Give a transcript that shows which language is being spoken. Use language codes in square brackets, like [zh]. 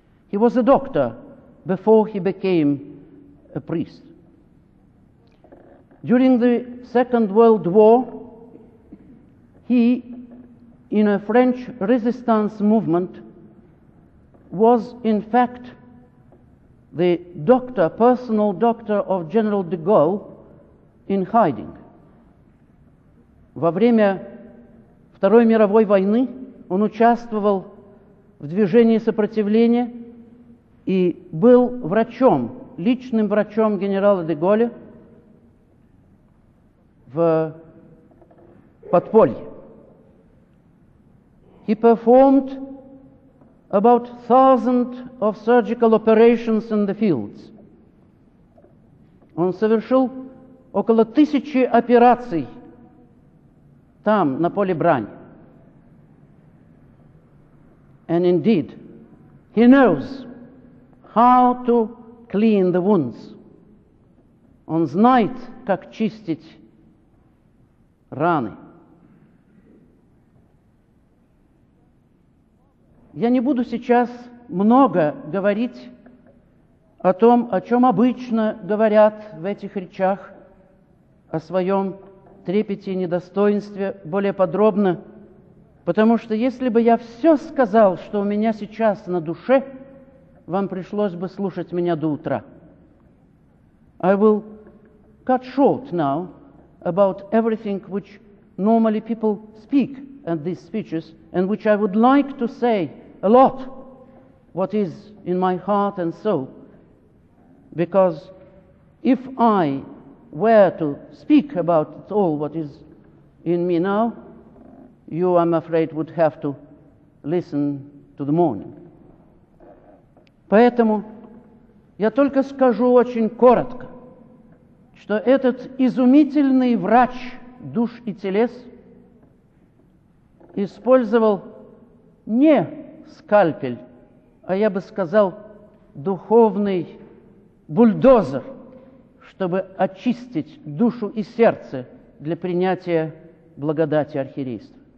[en] He was a doctor before he became a priest. During the Second World War, he, in a French resistance movement, was in fact the doctor, personal doctor of General de Gaulle in hiding. [ru] Во время Второй мировой войны он участвовал в движении сопротивления и был врачом, личным врачом генерала де Голля в подполье. [en] He performed about 1,000 of surgical operations in the fields. [ru] Он совершил около 1,000 операций там, на поле брани. [en] And indeed, he knows how to clean the wounds. [ru] Он знает, как чистить раны. Я не буду сейчас много говорить о том, о чем обычно говорят в этих речах, о своем трепете и недостоинстве более подробно, потому что если бы я все сказал, что у меня сейчас на душе, вам пришлось бы слушать меня до утра. [en] I will cut short now about everything which normally people speak at these speeches, and which I would like to say a lot, what is in my heart and soul, because if I were to speak about all what is in me now, you, I'm afraid, would have to listen to the morning. [ru] Поэтому я только скажу очень коротко, что этот изумительный врач душ и телес использовал не скальпель, а я бы сказал, духовный бульдозер, чтобы очистить душу и сердце для принятия благодати архиерейства.